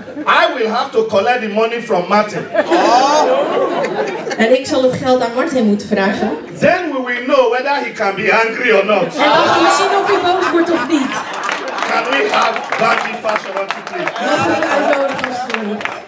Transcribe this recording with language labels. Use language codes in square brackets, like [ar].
[en] I will have to collect the money from Martin. Oh. [nl] En ik zal het geld aan Martin moeten vragen. [en] Then we will know whether he can be angry or not. [nl] En dan gaan we zien of hij boos wordt of niet. [en] Can we have Bad Fashion on to play? [nl] Mag ik uitnodigen als het moet?